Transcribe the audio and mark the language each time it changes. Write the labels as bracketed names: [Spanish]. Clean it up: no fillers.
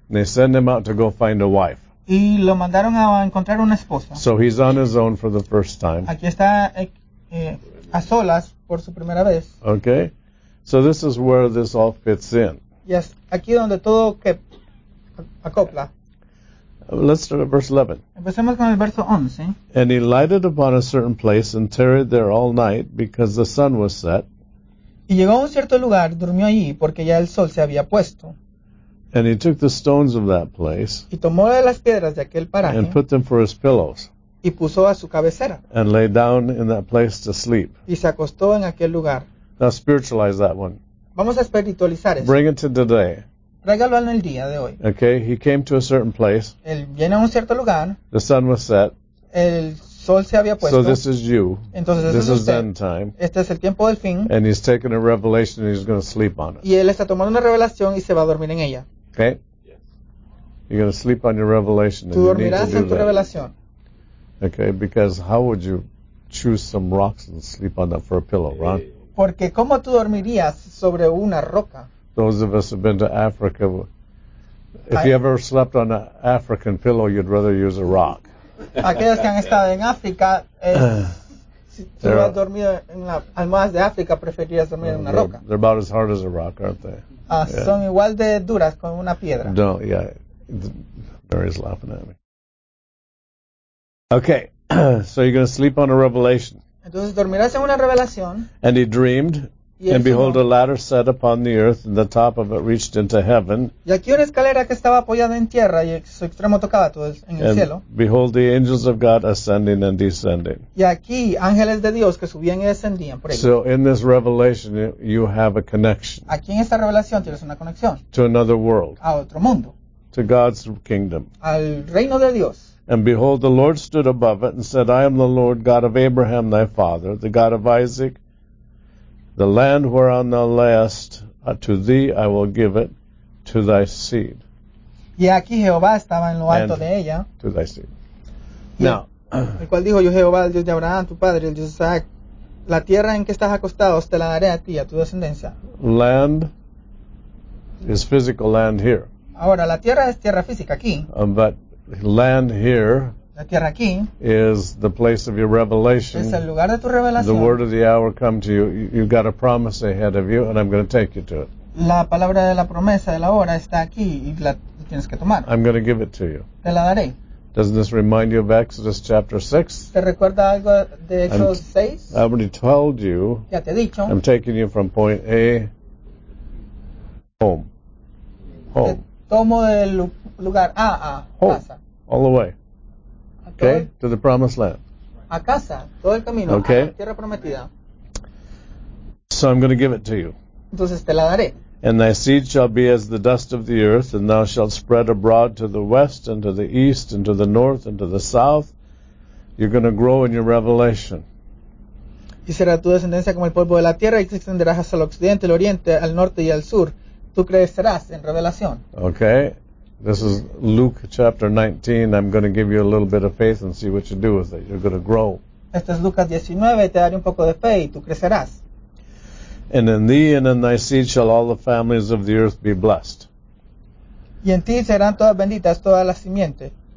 [English] They send him out to go find a wife. [Spanish] Y lo mandaron a encontrar una esposa. [English] So he's on his own for the first time. [Spanish] Aquí está a solas por su primera vez. [English] Okay. So this is where this all fits in. Yes. [Spanish] Aquí donde todo que acopla. [English] Let's start at verse 11. [Spanish] Empecemos con el verso 11. [English] And he lighted upon a certain place and tarried there all night because the sun was set. [Spanish] Y llegó a un cierto lugar, durmió allí porque ya el sol se había puesto. [English] And he took the stones of that place [Spanish] y tomó de las piedras de aquel paraje [English] and put them for his pillows [Spanish] y puso a su cabecera [English] and lay down in that place to sleep. [Spanish] Y se acostó en aquel lugar. [English] Now spiritualize that one. [Spanish] Vamos a espiritualizar eso. [English] Bring it to today. [Spanish] Tráigalo en el día de hoy. [English] Okay, he came to a certain place. [Spanish] Él viene a un cierto lugar. [English] The sun was set. [Spanish] El sol se había puesto. [English] So this is you. [Spanish] Entonces, [English] this [Spanish] es [English] is end time. [Spanish] Este es el tiempo del fin. [English] And he's taking a revelation and he's going to sleep on it. [Spanish] Y él está tomando una revelación y se va a dormir en ella. [English] Okay. Yes. You're going to sleep on your revelation. [Spanish] Tú dormirás en tu revelación. [English] Okay, because how would you choose some rocks and sleep on that for a pillow, right? [Spanish] Porque cómo tú dormirías sobre una roca. [English] Those of us who have been to Africa, if you ever slept on an African pillow, you'd rather use a rock. [Spanish] Aquellos que han estado en África, si tú has dormido en las almohadas de África, preferirías dormir en una roca. [English] They're about as hard as a rock, aren't they? Yeah. [Spanish] Son igual de duras como una piedra. [English] No, yeah. Mary's laughing at me. Okay, so you're going to sleep on a revelation. [Spanish] Entonces dormirás en una revelación. [English] And he dreamed, and behold, a ladder set upon the earth, and the top of it reached into heaven. [Spanish] Y aquí una escalera que estaba apoyada en tierra, y su extremo tocaba todo en el [English] and [Spanish] cielo. [English] And behold, the angels of God ascending and descending. [Spanish] Y aquí ángeles de Dios que subían y descendían por ahí. [English] So in this revelation, you have a connection. [Spanish] Aquí en esta revelación tienes una conexión. [English] To another world. [Spanish] A otro mundo. [English] To God's kingdom. [Spanish] Al reino de Dios. [English] And behold, the Lord stood above it and said, I am the Lord God of Abraham thy father, the God of Isaac. The land whereon thou layest, to thee I will give it, to thy seed. [Spanish] Y aquí Jehová estaba en lo alto de ella. [English] To thy seed. Now, [Spanish] el cual dijo, yo Jehová, el Dios de Abraham, tu padre, el Dios de Isaac, la tierra en que estás acostado te la daré a ti, a tu descendencia. [English] Land is physical land here. [Spanish] Ahora, la tierra es tierra física aquí. [English] But land here. [Spanish] La tierra aquí [English] is the place of your revelation. [Spanish] Es el lugar de tu revelación. [English] The word of the hour come to you. You've got a promise ahead of you, and I'm going to take you to it. [Spanish] La palabra de la promesa de la hora está aquí y la tienes que tomar. [English] I'm going to give it to you. [Spanish] Te la daré. [English] Doesn't this remind you of Exodus chapter 6? [Spanish] ¿Te recuerda algo de Exodus 6? [English] I already told you. [Spanish] Ya te he dicho. [English] I'm taking you from point A home. Home. [Spanish] Te tomo del lugar A a [English] home. [Spanish] Casa. [English] All the way. Okay, to the promised land. [Spanish] A casa, todo el camino, [English] okay. [Spanish] A la tierra prometida. [English] So I'm going to give it to you. [Spanish] Entonces te la daré. [English] And thy seed shall be as the dust of the earth, and thou shalt spread abroad to the west, and to the east, and to the north, and to the south. You're going to grow in your revelation. [Spanish] Y será tu descendencia como el polvo de la tierra, y te extenderás hasta el occidente, el oriente, al norte y al sur. Tú crecerás en revelación. [English] Okay, This is Luke chapter 19. I'm going to give you a little bit of faith and see what you do with it. You're going to grow. [Spanish] Este es Lucas 19, te daré un poco de fe y tú crecerás. [English] And in thee and in thy seed shall all the families of the earth be blessed. [Spanish] Y en ti serán todas benditas todas las simientes.